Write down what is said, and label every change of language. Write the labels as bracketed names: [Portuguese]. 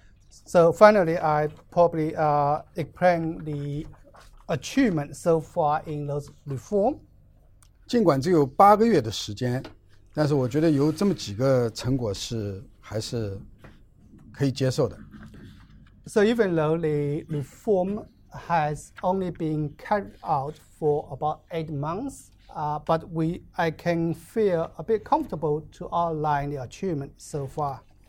[English] So finally, I probably explain the achievement so far in those reform. [Chinese] 尽管只有8个月的时间, 但是我觉得有这么几个成果是 还是可以接受的。 [English] So even though the reform has only been carried out for about 8 months, but I can feel a bit comfortable to outline the achievement so far.